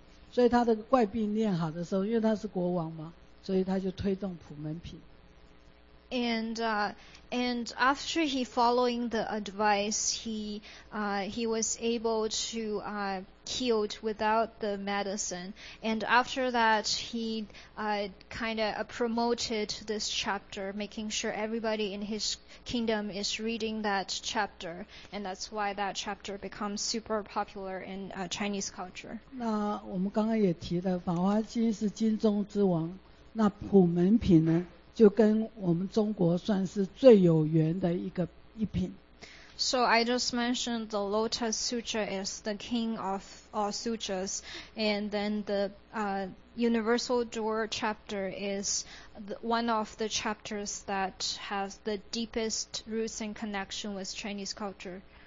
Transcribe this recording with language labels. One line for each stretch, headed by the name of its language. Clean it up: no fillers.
Chinese: 所以他的怪病念好的时候，因为他是国王嘛，所以他就推动普门品。
English: And after he following the advice, he was able to healed without the medicine. And after that, he kind of promoted this chapter, making sure everybody in his kingdom is reading that chapter. And that's why that chapter becomes super popular in Chinese culture.
Chinese: 那我们刚刚也提了，法华经是经中之王，那普门品呢？就跟我们中国算是最有缘的一品。
English: So I just mentioned the Lotus Sutra is the king of all sutras, and then the Universal Door chapter is one of the chapters that has the deepest roots and connection with Chinese culture.